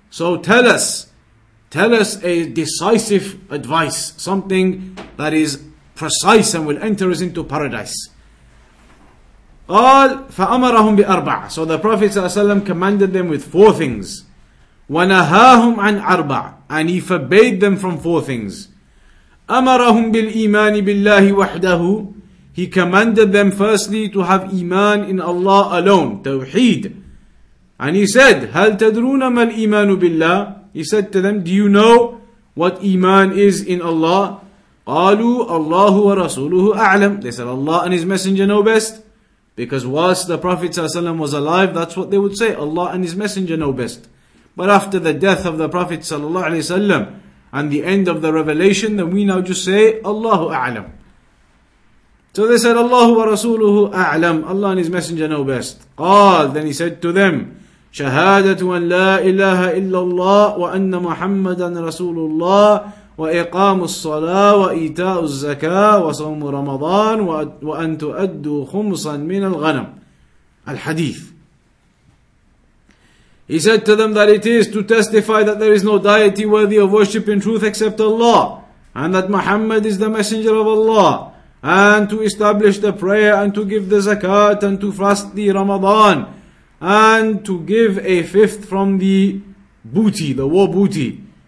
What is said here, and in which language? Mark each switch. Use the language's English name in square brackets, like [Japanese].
[English] So tell us a decisive advice, something that is precise and will enter us into paradise. [Arabic] قال فأمرهم بأربعة. [English] So the Prophet ﷺ commanded them with four things. [Arabic] ونهاهم عن أربعة. [English] And he forbade them from four things. [Arabic] أمرهم بالإيمان بالله وحده. [English] He commanded them firstly to have iman in Allah alone. توحيد. And he said, [Arabic] هل تدرون ما الإيمان بالله? [English] He said to them, do you know what iman is in Allah? [Arabic] قالوا الله ورسوله أعلم. [English] They said, Allah and His Messenger know best. Because whilst the Prophet ﷺ was alive, that's what they would say. Allah and His Messenger know best. But after the death of the Prophet ﷺ and the end of the revelation, then we now just say, Allahu A'lam. So they said, [Arabic] Allahu wa Rasuluhu A'lam. [English] Allah and His Messenger know best. [Arabic] قال, [English] then he said to them, [Arabic] شهادة أن لا إله إلا الله وأن محمدا رسول الله وإقام الصلاة وإيتاء الزكاة وصوم رمضان وأن تؤدوا خمصا من الغنم. الحديث. [English] He said to them that it is to testify that there is no deity worthy of worship in truth except Allah, and that Muhammad is the messenger of Allah, and to establish the prayer and to give the zakat and to fast the Ramadan and to give a fifth from the booty, the war booty.